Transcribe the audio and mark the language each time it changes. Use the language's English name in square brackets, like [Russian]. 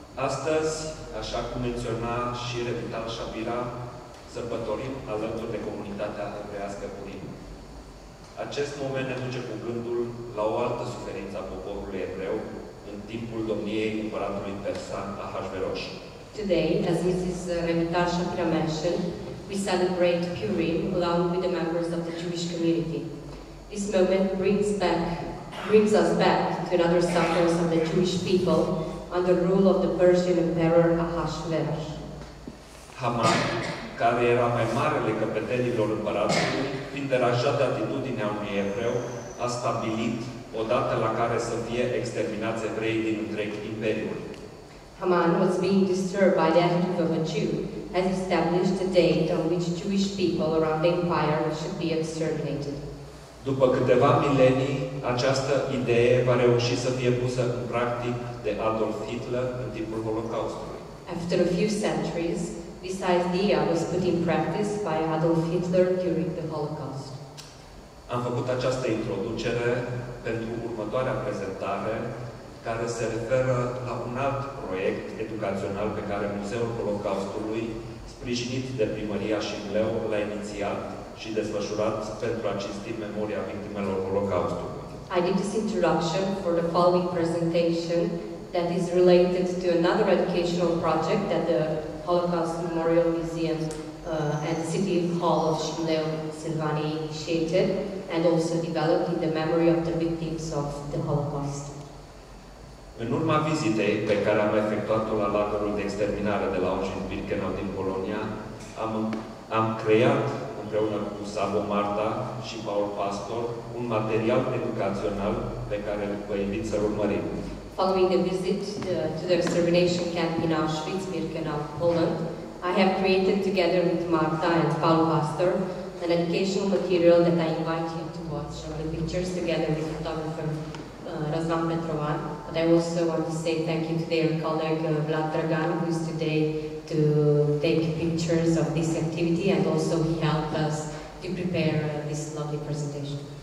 [Romanian] Astăzi, așa cum menționa și Revital Shapira, sărbătorim alături de comunitatea evrească Purim. Acest moment ne duce cu gândul la o altă suferință a poporului evreu, în timpul domniei împăratului persan Ahasveros. [English] Today, as Mrs. Remita Shapira mentioned, we celebrate Purim along with the members of the Jewish community. This moment brings us back to another sufferings of the Jewish people under rule of the Persian emperor Ahasveros. [Romanian] Haman, care era mai marele căpetenilor împăratului, fiind deranjat de atitudinea unui evreu, a stabilit o dată la care să fie exterminați evrei din întreg imperiul. [English] Haman was being disturbed by the attitude of a Jew, has established a date on which Jewish people around the empire should be exterminated. [Romanian] După câteva milenii, această idee va reuși să fie pusă în practic de Adolf Hitler în timpul Holocaustului. [English] After a few centuries, this idea was put in practice by Adolf Hitler during the Holocaust. [Romanian] Am făcut această introducere pentru următoarea prezentare, care se referă la un alt proiect educațional pe care Muzeul Holocaustului, sprijinit de Primăria Șibleu, l-a inițiat și desfășurat pentru a cinsti memoria victimelor Holocaustului. [English] I did this introduction for the following presentation that is related to another educational project that the Holocaust Memorial Museum and the City Hall of Șibleu, Silvani initiated and also developed in the memory of the victims of the Holocaust. [Romanian] În urma vizitei pe care am efectuat-o la lagărul de exterminare de la Auschwitz-Birkenau din Polonia, am creat, împreună cu Savo Marta și Paul Pastor, un material educațional pe care vă invit să-l urmărim. [English] Following the visit to the extermination camp in Auschwitz-Birkenau, Poland, I have created together with Marta and Paul Pastor an educational material that I invite you to watch. The pictures together with photographer Razvan Petrovan. But I also want to say thank you to their colleague Vlad Dragan, who is today to take pictures of this activity, and also he helped us to prepare this lovely presentation.